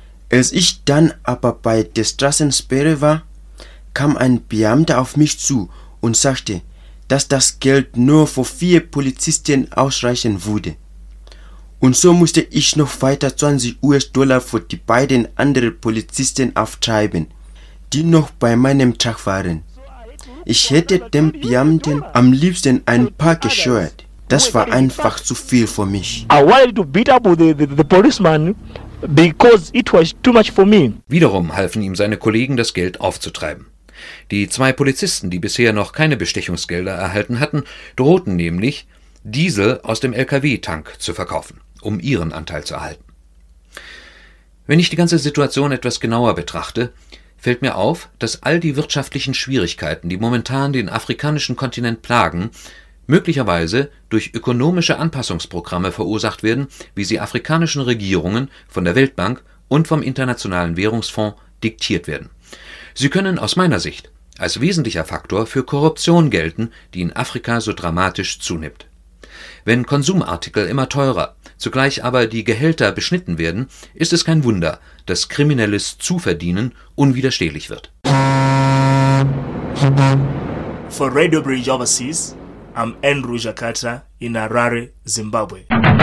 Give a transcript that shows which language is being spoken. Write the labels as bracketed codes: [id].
[de] Als ich dann aber bei der Straßensperre war, kam ein Beamter auf mich zu und sagte, dass das Geld nur für 4 Polizisten ausreichen würde. Und so musste ich noch weiter 20 US-Dollar für die beiden anderen Polizisten auftreiben, die noch bei meinem Truck waren. Ich hätte dem Beamten am liebsten ein paar geschert. Das war einfach zu viel für mich. [en] I wanted to beat up the policeman because it was too much for me. [de] Wiederum halfen ihm seine Kollegen, das Geld aufzutreiben. Die zwei Polizisten, die bisher noch keine Bestechungsgelder erhalten hatten, drohten nämlich, Diesel aus dem LKW-Tank zu verkaufen, um ihren Anteil zu erhalten. Wenn ich die ganze Situation etwas genauer betrachte, fällt mir auf, dass all die wirtschaftlichen Schwierigkeiten, die momentan den afrikanischen Kontinent plagen, möglicherweise durch ökonomische Anpassungsprogramme verursacht werden, wie sie afrikanischen Regierungen von der Weltbank und vom Internationalen Währungsfonds diktiert werden. Sie können aus meiner Sicht als wesentlicher Faktor für Korruption gelten, die in Afrika so dramatisch zunimmt. Wenn Konsumartikel immer teurer, zugleich aber die Gehälter beschnitten werden, ist es kein Wunder, dass kriminelles Zuverdienen unwiderstehlich wird. [en] For Radio Bridge Overseas, I'm Andrew Jakata in Harare, Zimbabwe.